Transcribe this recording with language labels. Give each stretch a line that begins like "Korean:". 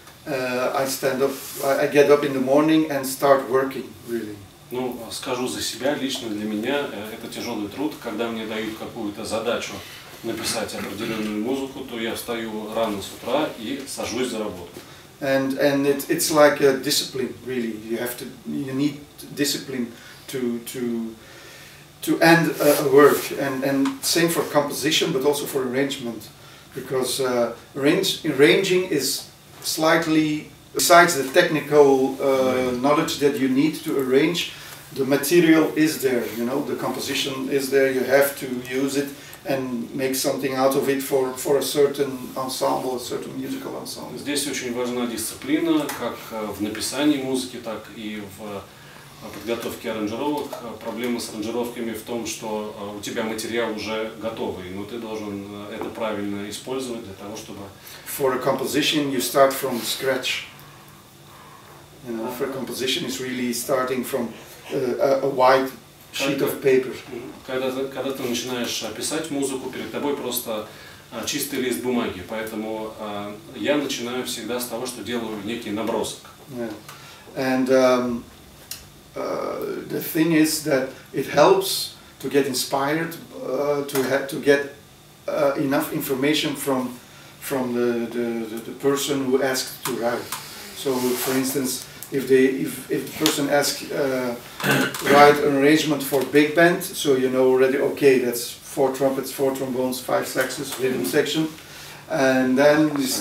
English: I stand up, I get up in the morning and start working, really.
Russian: Ну, скажу за себя, лично для меня это тяжелый труд. Когда мне дают какую-то задачу написать определенную музыку, то я встаю рано с утра и сажусь за работу.
English: And it's like a discipline, really. You need discipline to end a work, and same for composition, but also for arrangement, because arranging is slightly, besides the technical knowledge that you need to arrange, the material is there, you know, the composition is there, you have to use it and make something out of it for a certain ensemble, a certain musical ensemble.
Russian: Здесь очень важна дисциплина, как в написании музыки, так и в подготовке аранжировок. Проблема с аранжировками в том, что у тебя материал уже готовый, но ты должен это правильно использовать для того, чтобы...
English: For a composition you start from scratch. You know, for a composition it's really starting from a white sheet of paper.
Russian: Когда ты начинаешь писать музыку, перед тобой просто чистый лист бумаги. Поэтому я начинаю всегда с того, что делаю некий набросок.
English: Yeah. And the thing is that it helps to get inspired, to get enough information from the person who asked to write. So, for instance, if the person asks write an arrangement for big band, so you know already, okay, that's four trumpets, four trombones, five saxes, rhythm section, and then